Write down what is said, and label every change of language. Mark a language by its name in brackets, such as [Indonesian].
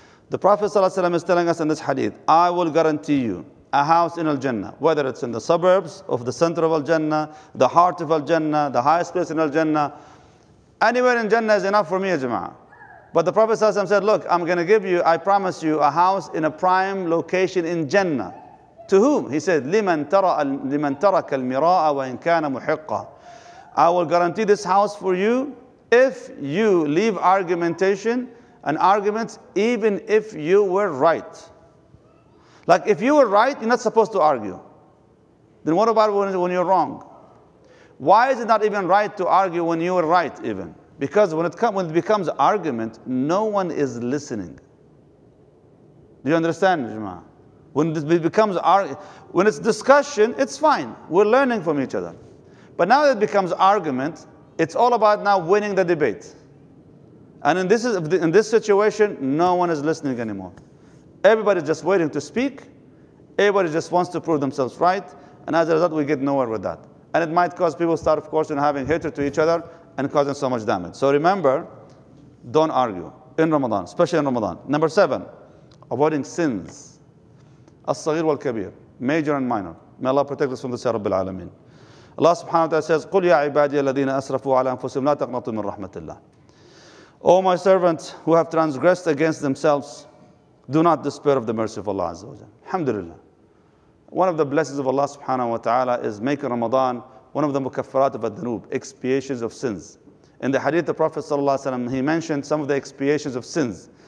[English] The Prophet ﷺ is telling us in this hadith, I will guarantee you a house in Al-Jannah, whether it's in the suburbs of the center of Al-Jannah, the heart of Al-Jannah, the highest place in Al-Jannah. Anywhere in Jannah is enough for me, Jama'ah. But the Prophet ﷺ said, look, I'm going to give you, I promise you, a house in a prime location in Jannah. To whom? He said, [Arabic] لِمَن تَرَكَ الْمِرَاءَ وَإِن كَانَ مُحِقَّةً. [English] I will guarantee this house for you if you leave argumentation and arguments, even if you were right. Like, if you were right, you're not supposed to argue. Then what about when you're wrong? Why is it not even right to argue when you were right, even? Because when it becomes argument, no one is listening. Do you understand, Jama? When this becomes when it's discussion, it's fine. We're learning from each other. But now that it becomes argument, it's all about now winning the debate. And in this situation, no one is listening anymore. Everybody's just waiting to speak. Everybody just wants to prove themselves right. And as a result, we get nowhere with that. And it might cause people to start, of course, having hatred to each other and causing so much damage. So remember, don't argue in Ramadan, especially in Ramadan. Number seven, avoiding sins. [Arabic] As-sagir wal-kabir, [English] major and minor. May Allah protect us from the Rabbil Alameen. [Arabic] Allah subhanahu wa ta'ala says, قُلْ يَا عِبَادِيَ الَّذِينَ أَسْرَفُوا عَلَىٰ أَنفُسِهِمْ لَا تَقْنَطُوا مِنْ رَحْمَةِ اللَّهِ. [English] O my servants who have transgressed against themselves, do not despair of the mercy of Allah Azza wa Jalla. Alhamdulillah. One of the blessings of Allah subhanahu wa ta'ala is making Ramadan one of the mukaffarat of ad-dhunub, expiations of sins. In the hadith, the Prophet sallallahu alayhi wa sallam, he mentioned some of the expiations of sins.